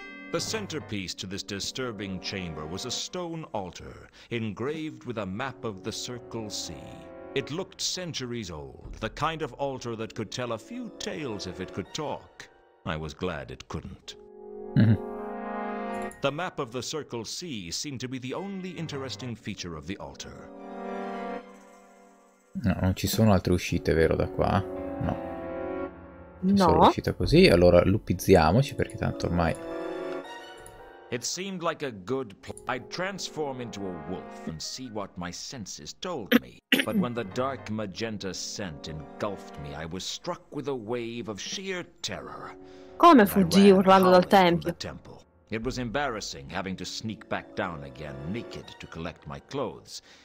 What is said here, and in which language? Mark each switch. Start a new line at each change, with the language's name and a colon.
English: The centerpiece to this disturbing chamber was a stone altar engraved with a map of the Circle Sea. It looked centuries old, the kind of altar that could tell a few tales if it could talk. I was glad it couldn't. The map of the Circle Sea seemed to be the only interesting feature of the altar.
Italian: No, non ci sono altre uscite, vero, da qua? No. No. Solo uscita così, allora lupizziamoci perché tanto ormai
English: It seemed like a good plan. I'd transform into a wolf and see what my senses told me. But when the dark magenta scent engulfed me, I was struck with a wave of sheer terror.
Italian: Come fuggì urlando dal tempio?
English: It was embarrassing having to sneak back down again naked to collect my clothes.